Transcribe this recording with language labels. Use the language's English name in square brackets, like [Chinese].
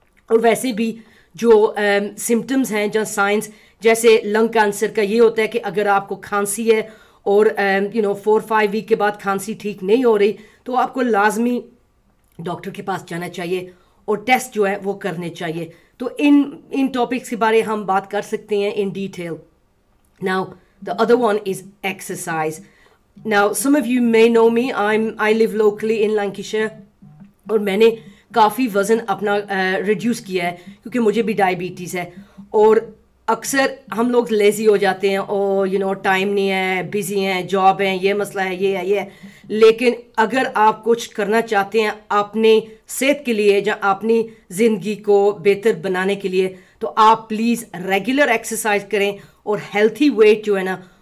[Hindi] और वैसे भी जो सिम्टम्स हैं जो साइंस जैसे लंग कैंसर का ये होता है कि अगर आपको खांसी है और [English] you know [Hindi] 4-5 वीक के बाद खांसी ठीक नहीं हो रही तो आपको लाजमी डॉक्टर के पास जाना चाहिए और टेस्ट जो है वो करने चाहिए. तो इन टॉपिक्स के बारे हम बात कर सकते हैं in detail. [English] Now, the other one is exercise. Now, some of you may know me. I live locally in Lancashire. [Hindi] और मैंने काफ़ी वजन अपना रिड्यूस किया है क्योंकि मुझे भी डायबिटीज़ है. और अक्सर हम लोग लेजी हो जाते हैं, [English] oh you know [Hindi] टाइम नहीं है, बिजी हैं, जॉब है, ये मसला है, ये है, ये है. लेकिन अगर आप कुछ करना चाहते हैं अपनी सेहत के लिए या अपनी ज़िंदगी को बेहतर बनाने के लिए, तो आप प्लीज़ रेगुलर एक्सरसाइज करें और हेल्थी वेट जो है ना